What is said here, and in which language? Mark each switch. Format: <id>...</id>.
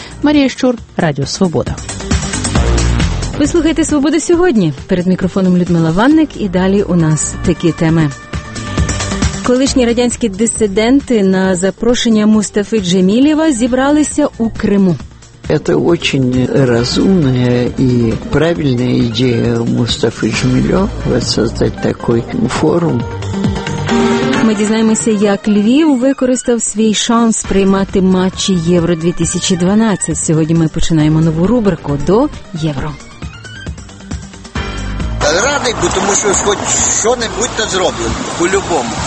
<uk>Марія Щур, Радіо Свобода. Ви слухаєте «Свобода сьогодні». Перед мікрофоном Людмила Ванник, і далі у нас такі теми. Колишні радянські дисиденти на запрошення Мустафи Джемілєва зібралися у Криму.</uk> <ru>Это очень разумная и правильная идея Мустафы Джемілєва создать такой форум.</ru> <uk>Ми дізнаємося, як Львів використав свій шанс приймати матчі Євро-2012. Сьогодні ми починаємо нову рубрику «До Євро». Радий, бо тому що хоч що-небудь та зроблено. По-любому.</uk>